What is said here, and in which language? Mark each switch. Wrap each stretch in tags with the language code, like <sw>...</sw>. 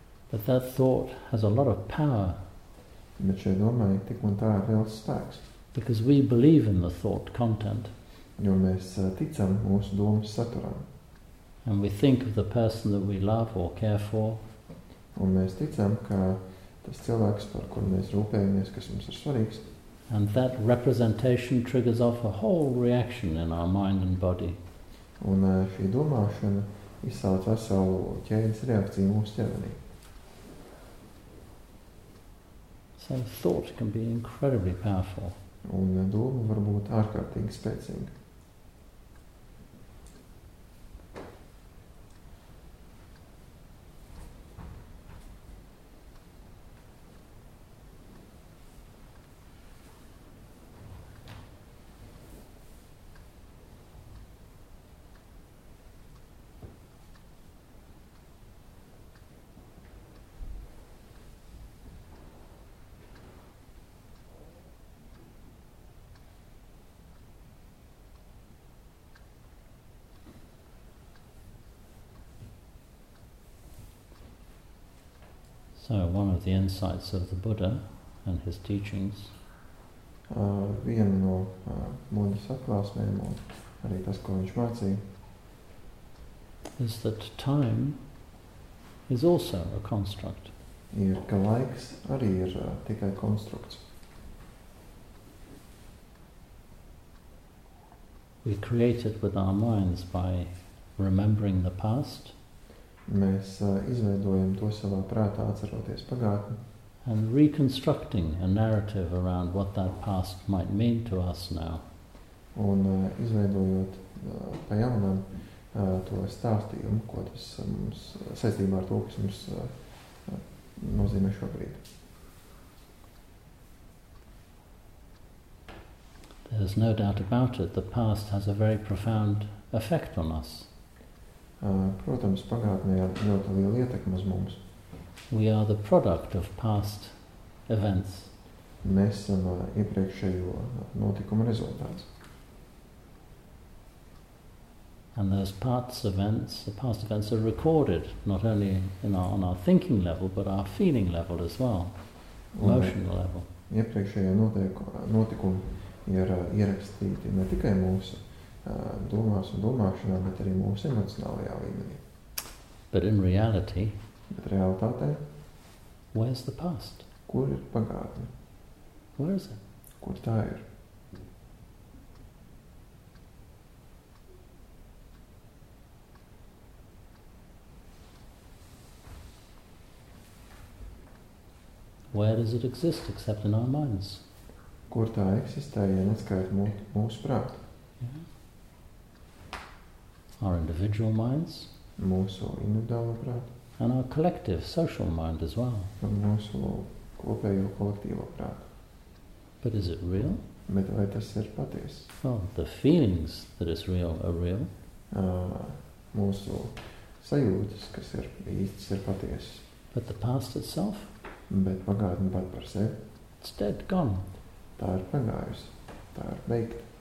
<en>But that thought has a lot of power.</en> <lv>Bet šai domai tik un tā ir liels spēks.</lv> <en>Because we believe in the thought content.</en> <lv>Jo mēs ticam mūsu domas saturam.</lv> <en>And we think of the person that we love or care for.</en> <lv>Un mēs ticam, ka tas cilvēks, par kuru mēs rūpējamies, kas mums ir svarīgs.</lv> <en>And that representation triggers off a whole reaction in our mind and body.</en> <lv>Un šī domāšana izsauc veselu ķēdes reakciju mūsu ķermenī.</lv> <en>So thought can be incredibly powerful.</en> <lv>Un doma var būt ārkārtīgi spēcīga.</lv> <en>So one of the insights of the Buddha and his teachings.</en> <lv>Viena no Buddhas atklāsmēm un arī tas, ko viņš mācīja.</lv> <en>Is that time is also a construct.</en> <lv>Ir, ka laiks arī ir tikai konstrukts.</lv> <en>We create it with our minds by remembering the past.</en> <lv>Mēs izveidojam to savā prātā, atceroties pagātni.</lv> <en>And reconstructing a narrative around what that past might mean to us now.</en> <lv>Un izveidojot pa jaunam to stāstījumu, ko tas mums saistībā ar to, kas mums nozīmē šobrīd.</lv> <en>There's no doubt about it, the past has a very profound effect on us.</en> <lv>Protams, pagātnē ir ļoti liela ietekme uz mums.</lv> <en>We are the product of past events.</en> <lv>Mēs esam iepriekšējo notikumu rezultāts.</lv> <en>And those past events are recorded not only in on our thinking level, but our feeling level as well, emotional level.</en> <lv>Iepriekšējie notikumi ir ierakstīti ne tikai mūsu domās un domāšanā, bet arī mūsu emocionālajā līmenī.</lv> <en>But in reality,</en> <lv>bet realitātē,</lv> <en>where's the past?</en> <lv>Kur ir pagātne?</lv> <en>Where is it?</en> <lv>Kur tā ir?</lv> <en>Where does it exist except in our minds?</en> <lv>Kur tā eksistē, ja neskait mūsu prātu?</lv> <en>Our individual minds,</en> <lv>mūsu individuālo prātu,</lv> <en>and our collective social mind as well.</en> <lv>Un mūsu kopējo kolektīvo prātu.</lv> <en>But is it real?</en> <lv>Bet vai tas ir patiesi?</lv> <en>Well, the feelings that is real are real.</en> <lv>Mūsu sajūtas, kas ir īstas, ir patiesi.</lv> <en>But the past itself?</en> <lv>Bet pagātne pat par sevi?</lv> <en>It's dead, gone.</en> <lv>Tā ir pagājusi. Tā ir beigta.</lv>